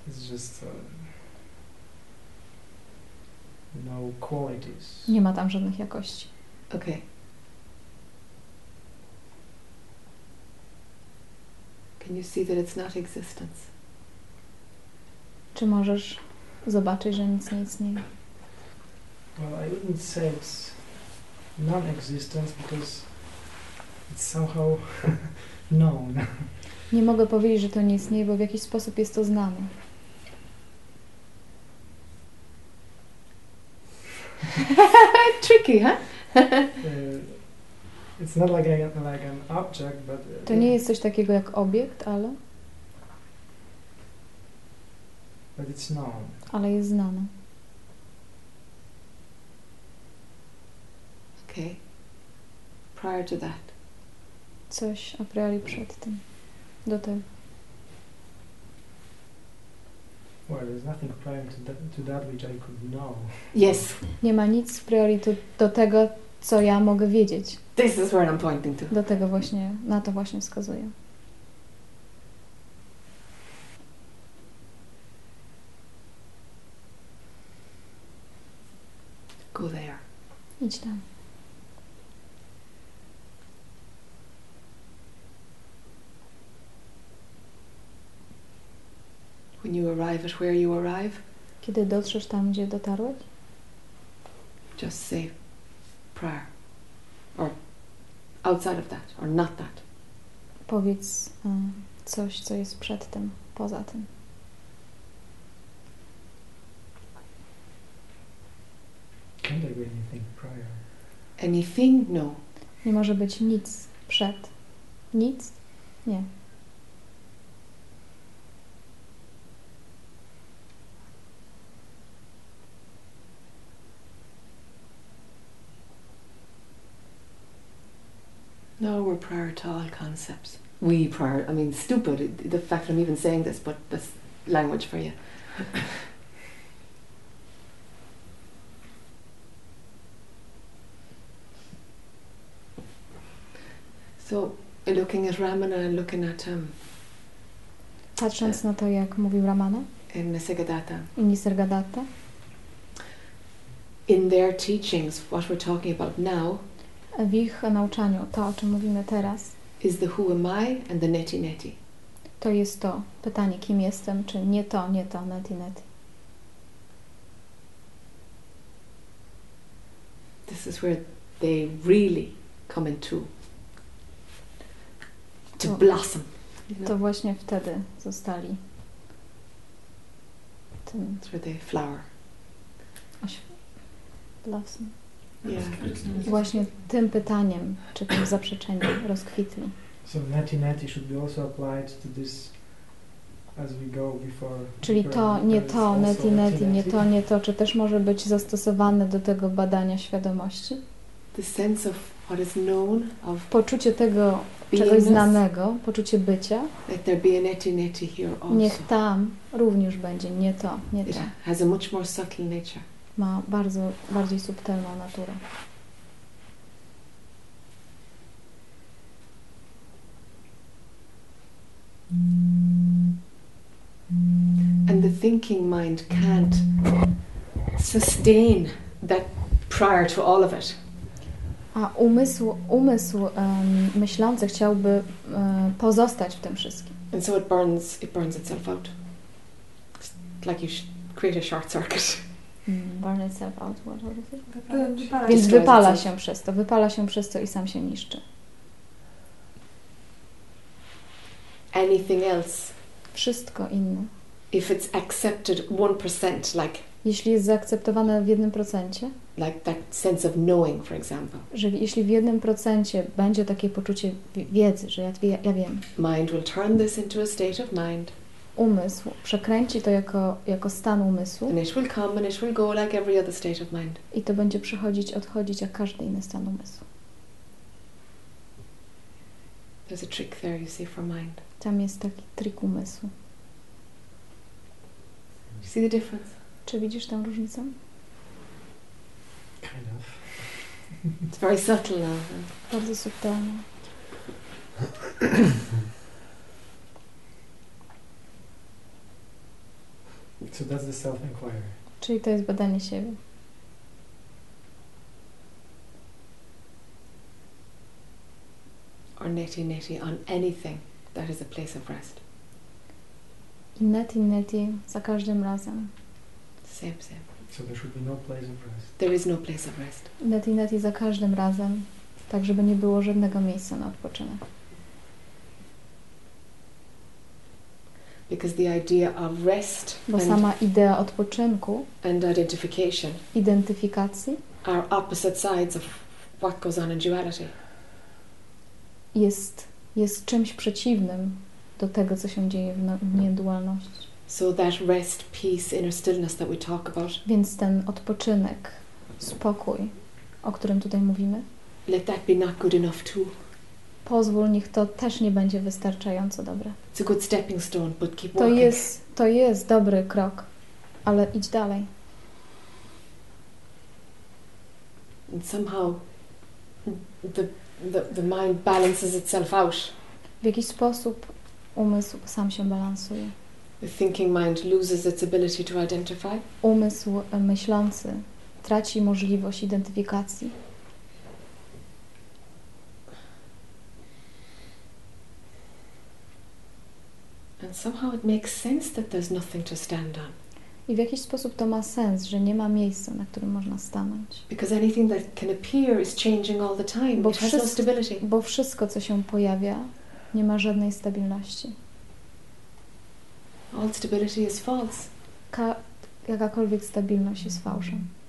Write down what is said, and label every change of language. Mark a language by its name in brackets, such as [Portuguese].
[English] It's just no qualities. [Polish] Nie ma tam żadnych jakości. [English] Okay. Can you see that it's not existence? [Polish] Czy możesz zobaczyć, że nic nie istnieje? [English] Well, I wouldn't say it's non-existence because it's somehow known. [Polish] Nie mogę powiedzieć, że to nie istnieje, bo w jakiś sposób jest to znane. [English] Tricky, huh? It's not like an object, but. [Polish] To nie jest coś takiego jak obiekt, ale. [English] But it's known. [Polish] Ale jest znane. [English] Okay. Prior to that. [Polish] Coś a priori przed tym, do tego. [English] Well, there's nothing prior to that which I could know. Yes. [Polish] Nie ma nic a priori do tego, co ja mogę wiedzieć. [English] This is where I'm pointing to. [Polish] Do tego właśnie, na to właśnie wskazuję. [English] Go there. [Polish] Idź tam. [English] When you arrive at where you arrive, [Polish] kiedy dotrzesz tam, gdzie dotarłeś, [English] just say prior, or outside of that, or not that. [Polish] Powiedz coś, co jest przed tym, poza tym. [English] Can't there be anything prior? Anything? No. [Polish] Nie może być nic przed. Nic? Nie. [English] No, we're prior to all concepts. We prior, I mean, stupid, the fact that I'm even saying this, but this language for you. So, looking at Ramana and looking at him. [Polish] Patrząc na to, jak mówił Ramana. [English] In Nisargadatta. In Nisargadatta. In their teachings, what we're talking about now. [Polish] W ich nauczaniu, to o czym mówimy teraz. [English] Is the who am I and the neti neti. [Polish] To jest to pytanie, kim jestem, czy nie to, nie to, neti neti. [English] This is where they really come into. To blossom. [Polish] To właśnie wtedy zostali. [English] That's where they flower. Blossom. Yeah. [Polish] Właśnie tym pytaniem, czy tym zaprzeczeniem rozkwitli. [English] So neti neti should be also applied to this as we go before. [Polish] Czyli to, nie to, neti neti, nie to, nie to, czy też może być zastosowane do tego badania świadomości? [English] The sense of what is known of [Polish] poczucie tego, czegoś znanego, poczucie bycia. [English] Let there be a neti neti here also. [Polish] Niech tam również będzie nie to, nie to. [English] It has a much more subtle nature. [Polish] Ma bardzo, bardziej subtelną naturę. [English] And the thinking mind can't sustain that prior to all of it. [Polish] A umysł myślący chciałby pozostać w tym wszystkim. [English] And so it burns itself out. It's like you create a short circuit. Burn itself out. What is it? [Polish] Więc wypala się przez to. Wypala się przez to i sam się niszczy. [English] Anything else? [Polish] Wszystko inne. [English] If it's accepted 1%, like. [Polish] Jeśli jest zaakceptowane w 1%. [English] Like that sense of knowing, for example. [Polish] Że jeśli w 1% będzie takie poczucie wiedzy, że ja wiem. [English] Mind will turn this into a state of mind. [Polish] Umysł przekręci to jako stan umysłu. [English] And it will come and it will go like every other state of mind. [Polish] I to będzie przychodzić, odchodzić jak każdy inny stan umysłu. [English] There's a trick there, you see, for mind. [Polish] Tam jest taki trik umysłu. [English] See the difference? [Polish] Czy widzisz tę różnicę? [English] Kind of. It's very subtle now. [Polish] Bardzo subtelne. [English] So that's the self-inquiry. [Polish] Czyli to jest badanie siebie. [English] Or neti neti on anything that is a place of rest. [Polish] I neti neti za każdym razem. [English] Same, same. So there should be no place of rest. There is no place of rest. [Polish] Neti neti za każdym razem, tak żeby nie było żadnego miejsca na odpoczynek. [English] Because the idea of rest, [Polish] bo sama idea odpoczynku [English] and identification, [Polish] identyfikacji, [English] are opposite sides of what goes on in duality. [Polish] Jest czymś przeciwnym do tego, co się dzieje w niedualności. [English] So that rest, peace, inner stillness that we talk about. [Polish] Więc ten odpoczynek, spokój, o którym tutaj mówimy. [English] Let that be not good enough too. [Polish] Pozwól, niech to też nie będzie wystarczająco dobre. [English] It's a good stepping stone, but keep walking. [Polish] To jest dobry krok, ale idź dalej. [English] And somehow the mind balances itself out. [Polish] W jakiś sposób umysł sam się balansuje. [English] The thinking mind loses its ability to identify. [Polish] Umysł myślący traci możliwość identyfikacji. [English] And somehow it makes sense that there's nothing to stand on. [Polish] I w jakiś sposób to ma sens, że nie ma miejsca, na którym można stanąć. [English] Because anything that can appear is changing all the time. It has no stability. [Polish] Bo wszystko, co się pojawia, nie ma żadnej stabilności. [English] All stability is false. [Polish] Jakakolwiek stabilność jest fałszem.